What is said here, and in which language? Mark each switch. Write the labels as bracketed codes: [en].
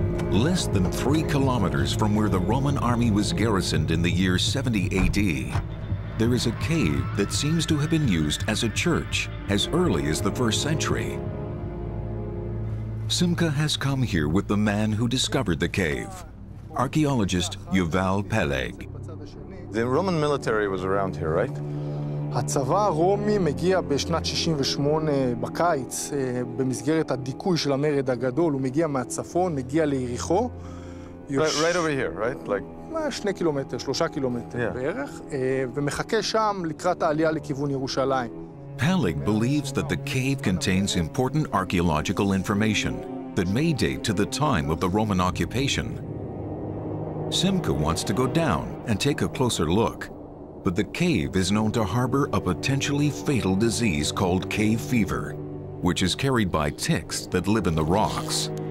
[en] Less than 3 kilometers from where the Roman army was garrisoned in the year 70 AD, there is a cave that seems to have been used as a church as early as the first century. Simcha has come here with the man who discovered the cave, archaeologist Yuval Peleg. The Roman military was around here, right? [he] הצבא הרומי מגיע בשנת 68 בקיץ, במסגרת הדיכוי של המרד הגדול, הוא מגיע מהצפון, מגיע ליריחו. [en] Right over here, right? Like... [he] 2 קילומטר, 3 קילומטר בערך, ומחכה שם לקראת העלייה לכיוון ירושלים. [en] Peleg believes that the cave contains important archaeological information that may date to the time of the Roman occupation. Simcha wants to go down and take a closer look, but the cave is known to harbor a potentially fatal disease called cave fever, which is carried by ticks that live in the rocks.